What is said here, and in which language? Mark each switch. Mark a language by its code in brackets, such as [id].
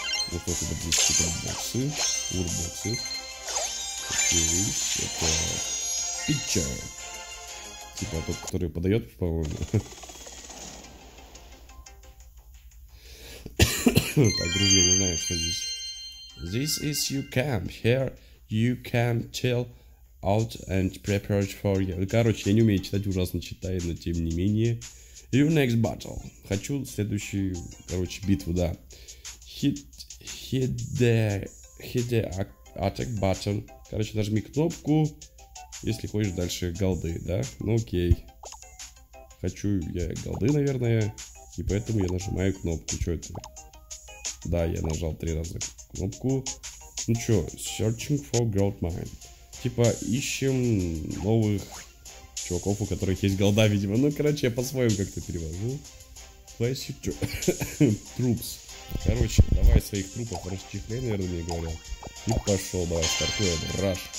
[ru] Вот тут вот здесь какие-то боксы. Урбоксы. Окей, это питча. Типа тот, который подает, по-моему. Так, друзья, не знаю, что здесь. [en] This is your camp. Here you can tell. Out and prepared for you. [ru] Короче, я не умею читать, ужасно читаю, но тем не менее. [en] Your next battle. [ru] Хочу следующую, короче, битву, да. [en] Hit the attack button. [ru] Короче, нажми кнопку, если хочешь дальше голды, да? Ну окей. Хочу я голды, наверное, и поэтому я нажимаю кнопку. Чё это? Да, я нажал 3 раза кнопку. Ну чё, [en] searching for gold mine. [ru] Типа, ищем новых чуваков, у которых есть голда, видимо. Ну, короче, я по-своему как-то перевожу. [en] Place your troops. [ru] Короче, давай своих трупов расчехляй, наверное, мне говорят. И пошел, давай, стартуем. [en] Rush.